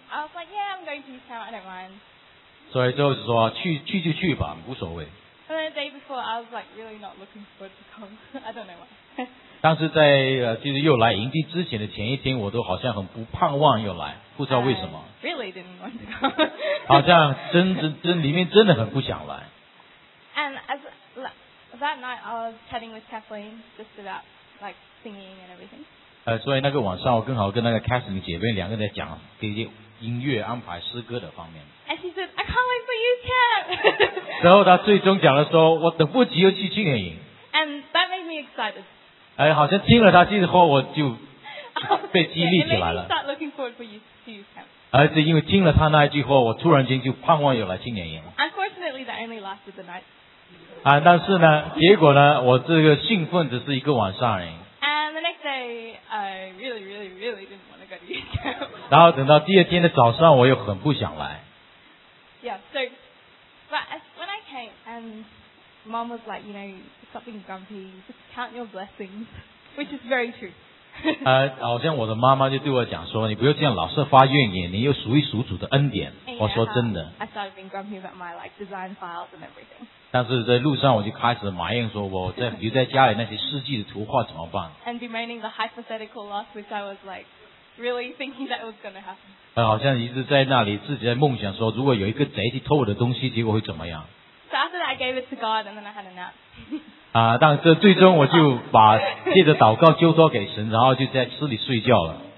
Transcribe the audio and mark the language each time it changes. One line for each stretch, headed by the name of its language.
English: I was like, yeah, I'm going to youth camp, I don't mind.
Chinese: 所以就是说，去就去吧，无所谓。And
English: then the day before, I was like really not looking forward to come. I don't know why.
Chinese: 但是在就是又来营地之前的前一天，我都好像很不盼望又来，不知道为什么。Really
English: didn't want to come.
Chinese: 好像真里面真的很不想来。And
English: as that night, I was chatting with Kathleen just about like singing and everything.
Chinese: 所以那个晚上我刚好跟那个 Catherine 姐妹两个人在讲这些音乐安排诗歌的方面。And
English: she said, I can't wait for youth camp.
Chinese: 然后她最终讲了说，我等不及要去青年营。
English: And inside us.
Chinese: 哎，好像听了他这句话，我就被激励起来了。
English: Start looking forward for youth camp.
Chinese: 而且因为听了他那一句话，我突然间就盼望有来青年营了。
English: Unfortunately, that only lasted the night.
Chinese: 啊，但是呢，结果呢，我这个兴奋只是一个晚上而已。
English: And the next day, I really, really, really didn't want to go to youth camp.
Chinese: 然后等到第二天的早上，我又很不想来。
English: Yeah. So, but when I came, and mom was like, you know, something grumpy, just count your blessings, which is very true.
Chinese: 好像我的妈妈就对我讲说，你不要这样老是发怨言，你又数一数主的恩典。我说真的。
English: I started being grumpy about my like design files and everything.
Chinese: 但是在路上我就开始埋怨说，我在留在家里那些世纪的图画怎么办
English: ？And bemoaning the hypothetical loss, which I was like really thinking that was going to happen.
Chinese: 好像一直在那里自己在梦想说，如果有一个贼去偷我的东西，结果会怎么样
English: ？So after that, I gave it to God, and then I had a nap.
Chinese: 但是最终我就把借着祷告交托给神，然后就在室里睡觉了。